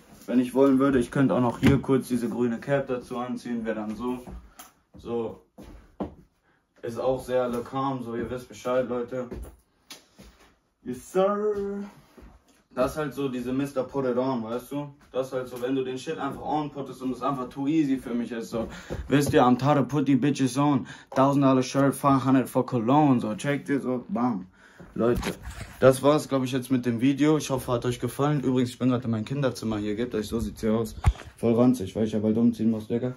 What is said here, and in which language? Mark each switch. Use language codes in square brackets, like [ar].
[de] Wenn ich wollen würde, ich könnte auch noch hier kurz diese grüne Cap dazu anziehen, wäre dann so. Ist auch sehr lokal, so ihr wisst Bescheid, Leute. Yes, sir. Das halt so diese Mr. Put It On, weißt du? Das halt so, wenn du den Shit einfach on puttest und es einfach [en] too easy [de] für mich ist, so. Wisst ihr, [en] I'm tired of put the bitches on. $1,000 shirt, 500 for cologne, so. [de] Checkt ihr so, bam. Leute, das war's, glaube ich, jetzt mit dem Video. Ich hoffe, hat euch gefallen. Übrigens, ich bin gerade in mein Kinderzimmer hier. Gebt euch, so sieht's hier aus. Voll ranzig, weil ich ja bald umziehen muss, Digga.